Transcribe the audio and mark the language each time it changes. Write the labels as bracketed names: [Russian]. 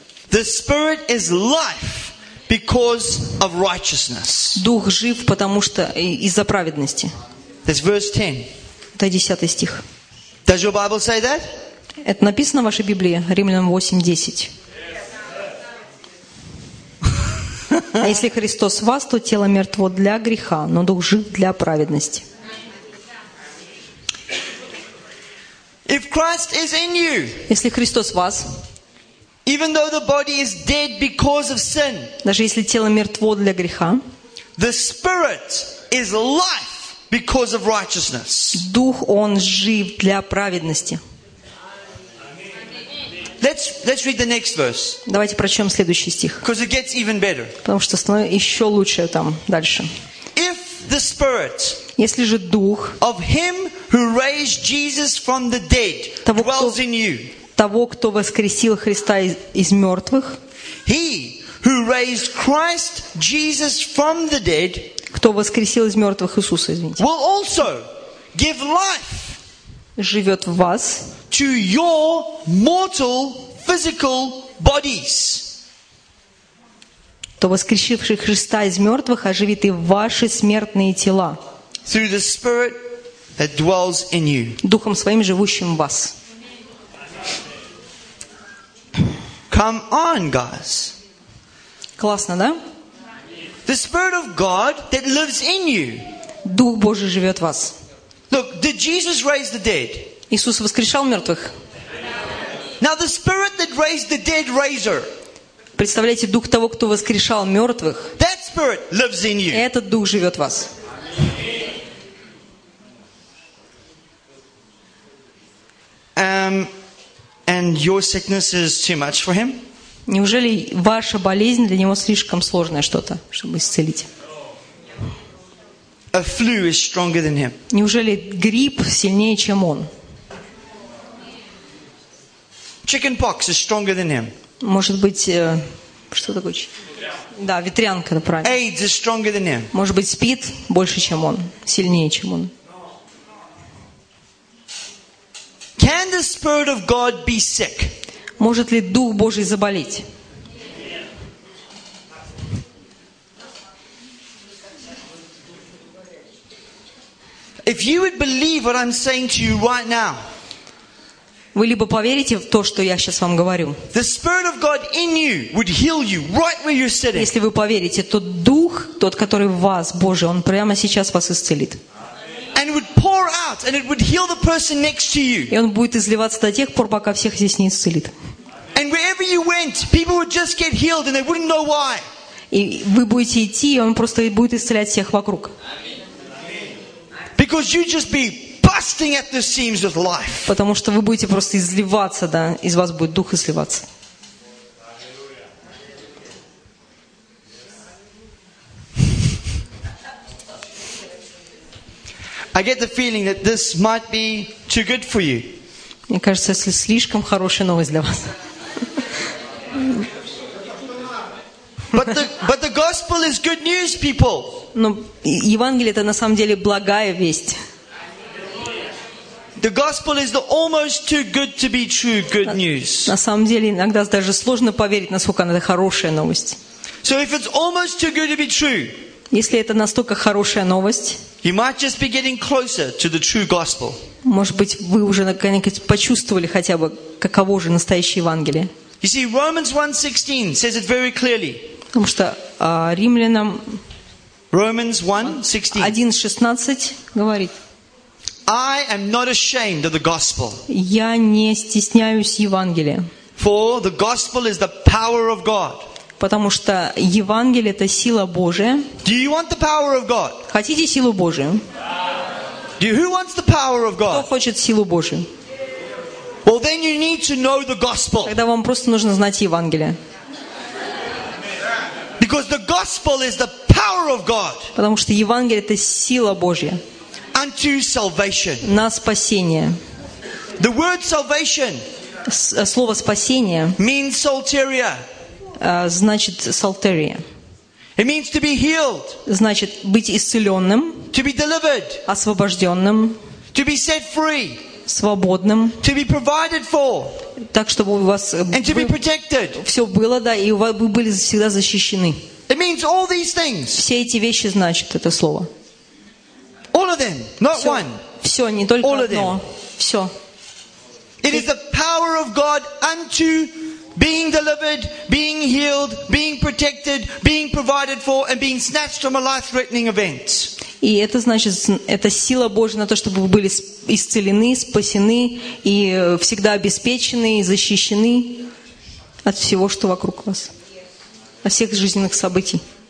[English] The spirit is life because of righteousness. [Russian] Дух жив, потому что из-за праведности. [English] That's verse 10. [Russian] Это 10 стих. [English] Does your Bible say that? [Russian] Это написано в вашей Библии, Римлянам 8:10. А если Христос в вас, то тело мертво для греха, но дух жив для праведности. [English] If Christ is in you. [Russian] Если Христос в вас. [English] Even though the body is dead because of sin. [Russian] Даже если тело мертво для греха. [English] The spirit is life because of righteousness. [Russian] Дух он жив для праведности. [English] Let's read the next verse. [Russian] Давайте прочтём следующий стих. [English] Because it gets even better. [Russian] Потому что становится ещё лучше там дальше. [English] If the Spirit [Russian] Если же дух [English] of him who raised Jesus from the dead dwells in you. [Russian] Того, кто воскресил Христа из мёртвых. [English] He who raised Christ Jesus from the dead [Russian] Кто воскресил из мёртвых Иисуса, извините. [English] Will also give life. [Russian] Живёт в вас. [English] To your mortal physical bodies. [Russian] То воскресивший Христа из мёртвых оживит и ваши смертные тела. [English] Through the Spirit that dwells in you. [Russian] Духом своим живущим в вас. [English] Come on, guys. [Russian] Классно, да? [English] The Spirit of God that lives in you. [Russian] Дух Божий живёт в вас. [English] Look, did Jesus raise the dead? [Russian] Иисус воскрешал мёртвых. [English] Now the Spirit that raised the dead raiser. [Russian] Представляете, дух того, кто воскрешал мёртвых. [English] That Spirit lives in you. [Russian] Этот дух живёт в вас. [English] And your sickness is too much for him? [Russian] Неужели ваша болезнь для него слишком сложное что-то, чтобы исцелить? [English] A flu is stronger than him. [Russian] Неужели грипп сильнее, чем он? [English] Chickenpox is stronger than him. [Russian] Может быть, что такое? Да, ветрянка, правильно. [English] AIDS is stronger than him. [Russian] Может быть, СПИД больше, чем он, сильнее, чем он. [English] Can the Spirit of God be sick? [Russian] Может ли Дух Божий заболеть? [English] If you would believe what I'm saying to you right now. [Russian] Вы либо поверите в то, что я сейчас вам говорю. Если вы поверите, то Дух, тот, который в вас, Божий, Он прямо сейчас вас исцелит. И Он будет изливаться до тех пор, пока всех здесь не исцелит. И вы будете идти, и Он просто будет исцелять всех вокруг. [English] Because you just be Busting at the seams with life. [Russian] Потому что вы будете просто изливаться, да, из вас будет дух изливаться. [English] I get the feeling that this might be too good for you. [Russian] Мне кажется, это слишком хорошая новость для вас. [English] But the gospel is good news, people. [Russian] Но Евангелие это на самом деле благая весть. [English] The gospel is the almost too good to be true good news. [Russian] На самом деле, иногда даже сложно поверить, насколько она хорошая новость. [English] So if it's almost too good to be true. [Russian] Если это настолько хорошая новость. [English] You might just be getting closer to the true gospel. [Russian] Может быть, вы уже наконец почувствовали хотя бы каково же настоящее Евангелие. [English] You see, Romans 1:16 says it very clearly. [Russian] Потому что Римлянам [English] Romans 1:16 [Russian] говорит: [English] I am not ashamed of the gospel. [Russian] Я не стесняюсь Евангелия. [English] For the gospel is the power of God. [Russian] Потому что Евангелие это сила Божия. [English] Do you want the power of God? [Russian] Хотите силу Божию? [English] Who wants the power of God? [Russian] Кто хочет силу Божию? [English] Well, then you need to know the gospel. [Russian] Тогда вам просто нужно знать Евангелие. [English] Because the gospel is the power of God. [Russian] Потому что Евангелие это сила Божия. [English] Unto salvation. [Russian] На спасение. [English] The word salvation. [Russian] Слово спасение. [English] Means soteria. [Russian] Значит солтерия. [English] It means to be healed. [Russian] Значит быть исцеленным. [English] To be delivered. [Russian] Освобожденным. [English] To be set free. [Russian] Свободным. [English] To be provided for. [Russian] Так чтобы у вас. [English] And to be protected. [Russian] Все было, да, и вы были всегда защищены. [English] It means all these things. [Russian] Все эти вещи значит это слово. [English] All of them, not one. [Russian] Все, не только одно. Все. [English] It is the power of God unto being delivered, being healed, being protected, being provided for, and being snatched from a life-threatening event. [Russian] И это значит, это сила Божья на то, чтобы вы были исцелены, спасены и всегда обеспечены и защищены от всего, что вокруг вас, от всех жизненных событий.